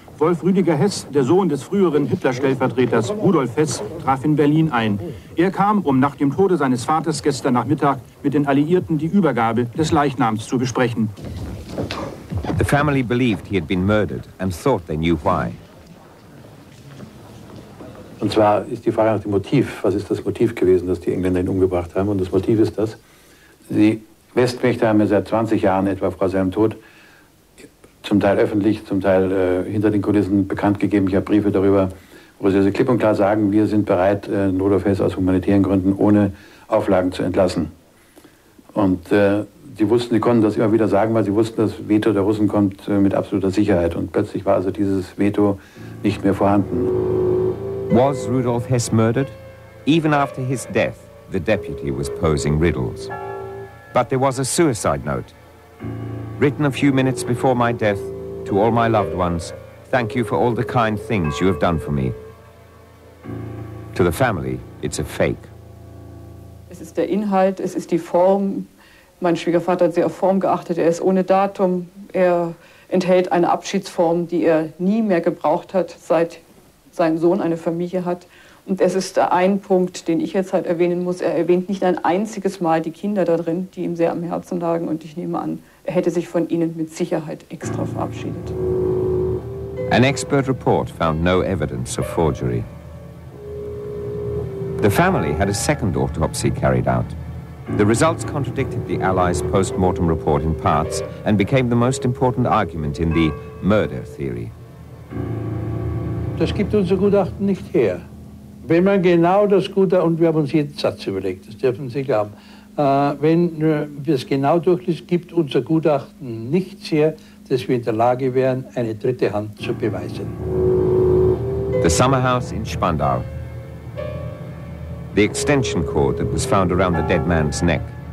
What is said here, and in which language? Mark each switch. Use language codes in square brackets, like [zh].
[de] Wolf Rüdiger Hess, der Sohn des früheren Hitler-Stellvertreters Rudolf Hess, traf in Berlin ein. Er kam, um nach dem Tode seines Vaters gestern Nachmittag mit den Alliierten die Übergabe des Leichnams zu besprechen. [en] The family believed he had been murdered and thought they knew why. [de] Und zwar ist die Frage nach dem Motiv. Was ist das Motiv gewesen, das die Engländer ihn umgebracht haben? Und das Motiv ist das, die Westmächte haben ja seit 20 Jahren etwa vor seinem Tod zum Teil öffentlich, zum Teil hinter den Kulissen bekannt gegeben. Ich habe Briefe darüber, wo sie also klipp und klar sagen, wir sind bereit, Rudolf Hess aus humanitären Gründen ohne Auflagen zu entlassen. Und sie wussten, sie konnten das immer wieder sagen, weil sie wussten, das Veto der Russen kommt mit absoluter Sicherheit. Und plötzlich war also dieses Veto nicht mehr vorhanden. [en] Was Rudolf Hess murdered? Even after his death, the deputy was posing riddles. But there was a suicide note. Written a few minutes before my death, to all my loved ones, thank you for all the kind things you have done for me. To the family, it's a fake. [de] Es ist der Inhalt, es ist die Form. Mein Schwiegervater hat sehr auf Form geachtet. Er ist ohne Datum. Er enthält eine Abschiedsform, die er nie mehr gebraucht hat, seit sein Sohn eine Familie hat. Und es ist ein Punkt, den ich jetzt halt erwähnen muss. Er erwähnt nicht ein einziges Mal die Kinder da drin, die ihm sehr am Herzen lagen. Und ich nehme an, er hätte sich von ihnen mit Sicherheit extra verabschiedet. [en] An expert report found no evidence of forgery. The family had a second autopsy carried out. The results contradicted the Allies' post-mortem report in parts and became the most important argument in the murder theory. [de] Das gibt unser Gutachten nicht her. Wenn man genau das Gutachten, und wir haben uns jeden Satz überlegt, das dürfen Sie glauben, wenn wir es genau durchlesen, gibt unser Gutachten nichts her, dass wir in der Lage wären, eine dritte Hand zu beweisen. [en] The summer house in Spandau. The extension cord that was found around the dead man's neck.